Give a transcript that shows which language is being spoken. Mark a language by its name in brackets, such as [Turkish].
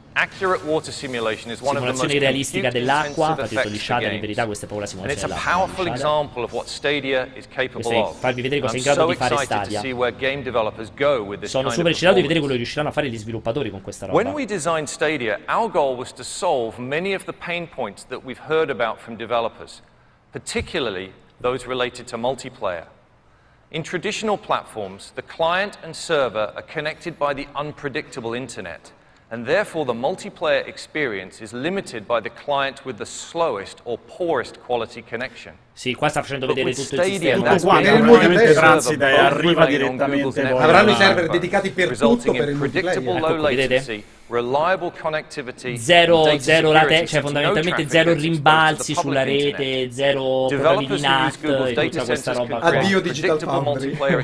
[Italian] Simulazione realistica dell'acqua, fatto gli shader, in verità questa è proprio la simulazione dell'acqua. Questo è farvi vedere cosa è in grado di fare Stadia. Sono super eccitato di vedere quello che riusciranno a fare gli sviluppatori con questa roba. [English] Quando design Stadia, our goal was to solve many of the pain points that we've heard about from developers, particularly those related to multiplayer. In traditional platforms, the client and server are connected by the unpredictable internet, and therefore the multiplayer experience is limited by the client with the slowest or poorest quality connection. [Italian] Sì, qua sta facendo vedere tutto Stadia, il sistema. Tutto qua, transita e arriva direttamente. Avranno i server dedicati per tutto, per il multiplayer. Ecco, vedete? [English] Reliable connectivity, [Italian] zero latenza, cioè fondamentalmente zero rimbalzi sulla rete, zero problemi di NAT, tutta questa roba. Addio Digital Foundry.